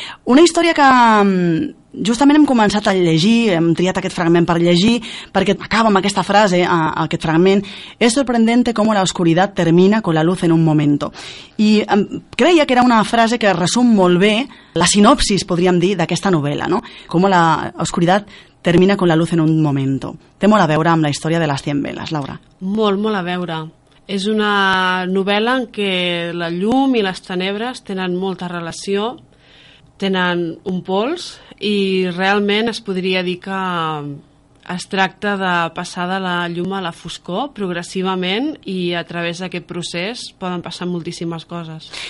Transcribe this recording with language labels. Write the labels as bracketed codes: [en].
[ca] Una història que justament hem començat a llegir, hem triat aquest fragment per llegir, perquè acaba amb aquesta frase, aquest fragment: [es] «Es sorprendente cómo la oscuridad termina con la luz en un momento». [ca] I creia que era una frase que resum molt bé la sinopsis, podríem dir, d'aquesta novel·la, no? [es] «Cómo la oscuridad termina con la luz en un momento». [ca] Té molt a veure amb la història de les 100 veles, Laura. Molt, molt a veure. És una novel·la en què la llum i les tenebres tenen molta relació, tenen un pols, i realment es podria dir que es tracta de passar de la llum a la foscor progressivament, i a través d'aquest procés poden passar moltíssimes coses.